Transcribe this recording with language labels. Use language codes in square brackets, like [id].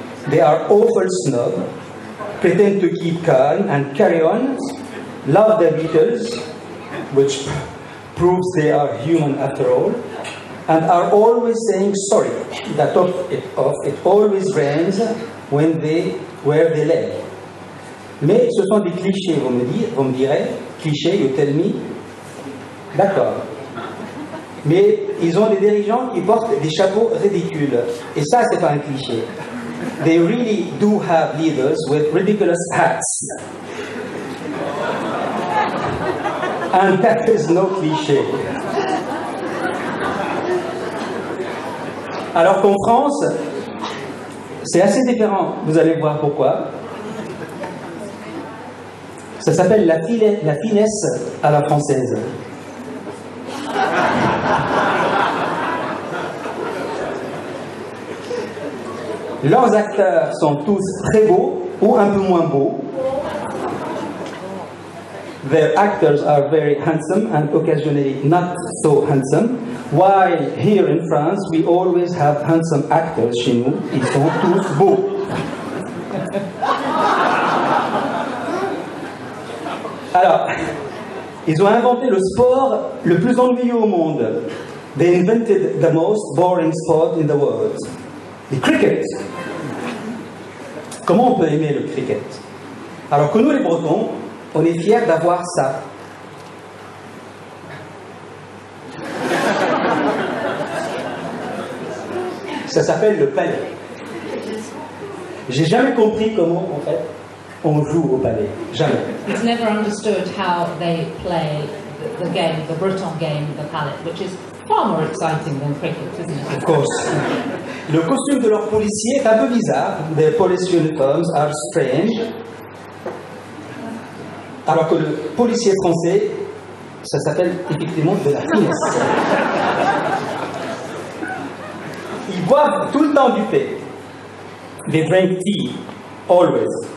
[en] They are awful snobs, pretend to keep calm and carry on, love the Beatles, which proves they are human after all, and are always saying sorry. The top of it always rains when they wear the leg. [fr] Mais ce sont des clichés, vous me direz. [en] Clichés, you tell me. [fr] D'accord. Mais ils ont des dirigeants qui portent des chapeaux ridicules. Et ça, c'est pas un cliché. [en] They really do have leaders with ridiculous hats. And that is no cliché. [fr] Alors qu'en France, c'est assez différent. Vous allez voir pourquoi. Ça s'appelle la finesse à la française. Leurs acteurs sont tous très beaux ou un peu moins beaux. [en] Their actors are very handsome and occasionally not so handsome. While here in France, we always have handsome actors [fr] chez nous. Ils sont tous beaux. Alors, ils ont inventé le sport le plus ennuyeux au monde. [en] They invented the most boring sport in the world. The cricket. [fr] Comment on peut aimer le cricket? Alors que nous, les Bretons, on est fiers d'avoir ça. Ça s'appelle le palais. J'ai jamais compris comment, en fait, on joue au palais. Jamais. [en] He's never understood how they play the game, the Breton game, the palais, which is far more exciting than cricket, isn't it? Of course. [fr] Le costume de leurs policiers est un peu bizarre. [en] Their police uniforms are strange. [fr] Alors que le policier français, ça s'appelle effectivement de la finesse. Ils boivent tout le temps du thé. [en] They drink tea, always.